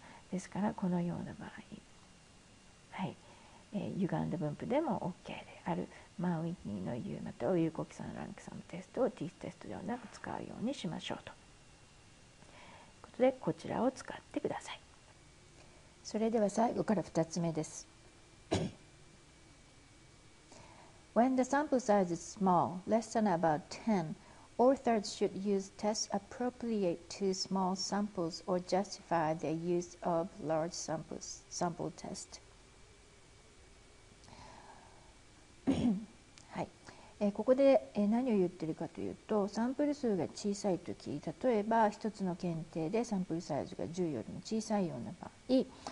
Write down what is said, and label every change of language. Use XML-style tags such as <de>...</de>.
<ja>ですからこのような場合、はい、歪んだ分布でも OK であるマウィニーの U またはウィルコキソンランクサムテストをティーステストではなく使うようにしましょうとでこちらを使ってください。それでは最後から2つ目です。</ja> <en>When the sample size is small, less than about 10, authors should use tests appropriate to small samples or justify the use of large samples, sample test.</en> <ja>はい、ここで何を言っているかというとサンプル数が小さいとき例えば一つの検定でサンプルサイズが10よりも小さいような場合、</ja>